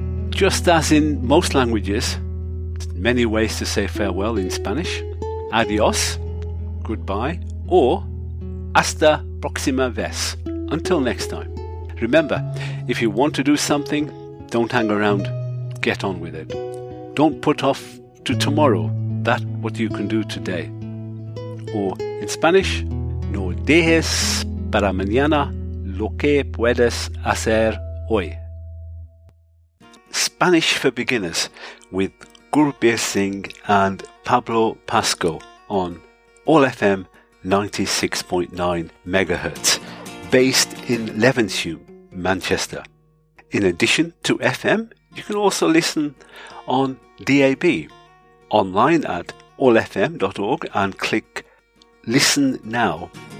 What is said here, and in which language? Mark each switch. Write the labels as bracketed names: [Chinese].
[English] Just as in most languages, many ways to say farewell in Spanish: adios, goodbye, or [Spanish] hasta próxima vez, [English] until next time. Remember, if you want to do something, don't hang around, get on with it. Don't put off to tomorrow that what you can do today. Or in Spanish, [Spanish] no dejes para mañana lo que puedes hacer hoy. [English] Spanish for Beginners with Gurbir Singh and Pablo Pasco on All FM 96.9 MHz, based in Levenshulme, Manchester. In addition to FM, you can also listen on DAB, online at allfm.org, and click Listen Now.